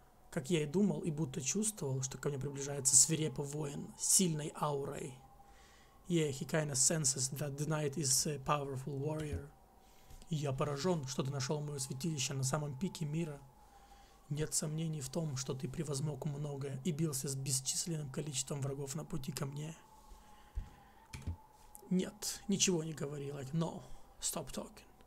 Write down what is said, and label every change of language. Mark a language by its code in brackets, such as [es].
[ru] Как я и думал, и будто чувствовал, что ко мне приближается свирепый воин с сильной аурой. [en] Yeah, he kinda senses that the knight is a powerful warrior. [ru] Я поражен, что ты нашел мое святилище на самом пике мира. Нет сомнений в том, что ты превозмог многое и бился с бесчисленным количеством врагов на пути ко мне. Нет, ничего не говори, [en] like, no, stop talking.